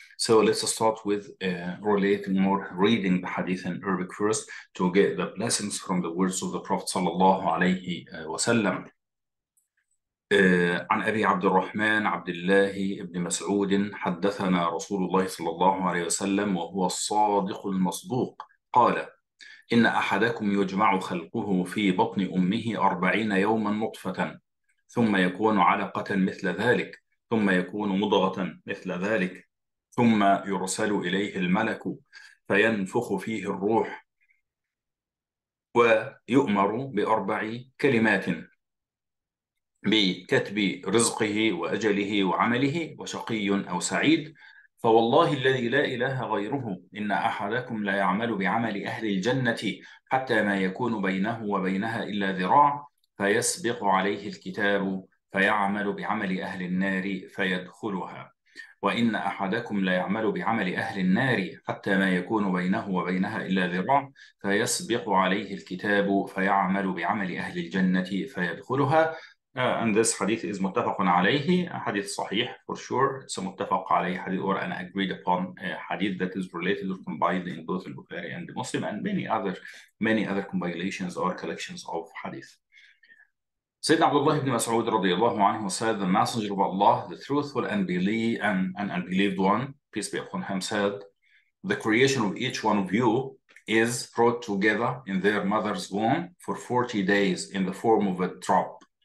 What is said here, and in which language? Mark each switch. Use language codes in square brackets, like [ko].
[en] So let's start with reading the hadith in Arabic first to get the blessings from the words of the Prophet sallallahu alayhi wasallam. [ar] عن أبي عبد الرحمن عبد الله بن مسعود حدثنا رسول الله صلى الله عليه وسلم وهو الصادق المصدوق قال إن أحدكم يجمع خلقه في بطن أمه 40 يوما نطفة ثم يكون علقة مثل ذلك ثم يكون مضغة مثل ذلك ثم يرسل إليه الملك فينفخ فيه الروح ويؤمر ب4 كلمات بكتب رزقه وأجله وعمله وشقي أو سعيد فوالله الذي لا إله غيره إن أحدكم لا يعمل بعمل أهل الجنة حتى ما يكون بينه وبينها إلا ذراع فيسبق عليه الكتاب فيعمل بعمل أهل النار فيدخلها وإن أحدكم لا يعمل بعمل أهل النار حتى ما يكون بينه وبينها إلا ذراع فيسبق عليه الكتاب فيعمل بعمل أهل الجنة فيدخلها. [en] And this hadith is muttafaqun alayhi, a hadith sahih for sure. It's a muttafaq alayhi hadith or an agreed upon hadith that is related or combined in both al-Bukhari and the Muslim and many other compilations or collections of hadith. Sayyidina Abdullah ibn Mas'ud radiallahu anhu said, the Messenger of Allah, the truthful and believed one, peace be upon him, said, the creation of each one of you is brought together in their mother's womb for 40 days in the form of a drop.